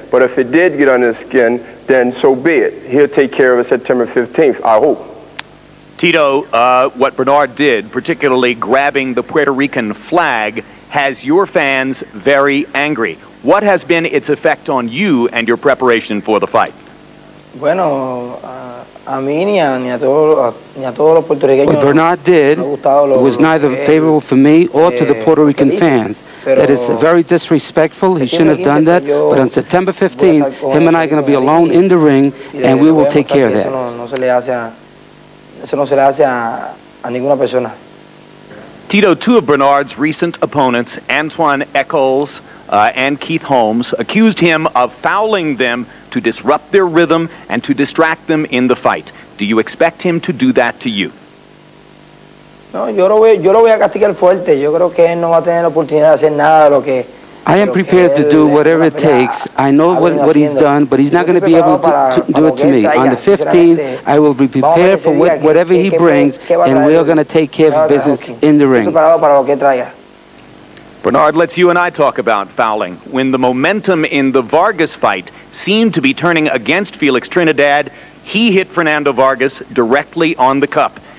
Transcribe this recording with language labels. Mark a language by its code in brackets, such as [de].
[en] But if it did get under his skin, then so be it. He'll take care of it September 15th, I hope. Tito, what Bernard did, particularly grabbing the Puerto Rican flag, has your fans very angry. What has been its effect on you and your preparation for the fight? [es] Bueno, a mí ni a todos los puertorriqueños. [en] What Bernard did was neither favorable for me or to the Puerto Rican fans. That is very disrespectful. He shouldn't have done that. But on September 15th, him and I are going to be alone in the ring, and we will take care of that. [es] Eso no se le hace a ninguna persona. [en] Tito, two of Bernard's recent opponents, Antoine Eccles and Keith Holmes, accused him of fouling them to disrupt their rhythm and to distract them in the fight. Do you expect him to do that to you? [es] No, yo lo voy a castigar fuerte. Yo creo que él no va a tener la oportunidad de hacer nada de lo que... [en] I am prepared to do whatever it takes. I know what he's done, but he's not going to be able to do it to me. On the 15th, I will be prepared for whatever he brings, and we are going to take care of business in the ring. Bernard, let's you and I talk about fouling. When the momentum in the Vargas fight seemed to be turning against Felix Trinidad, he hit Fernando Vargas directly on the cup.